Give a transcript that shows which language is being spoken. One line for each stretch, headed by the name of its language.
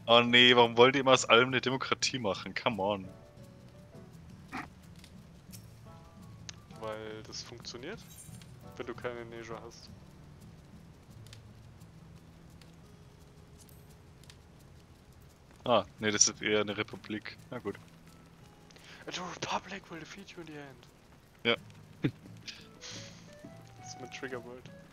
German: Oh nee, warum wollt ihr immer aus allem eine Demokratie machen?
English: Come on.
German: weil das funktioniert, wenn du keine Nejo hast. Ah, nee, das ist eher eine Republik. Na gut.
English: And the Republic will defeat you in the end.
German: Ja. Das ist mein Triggerwort.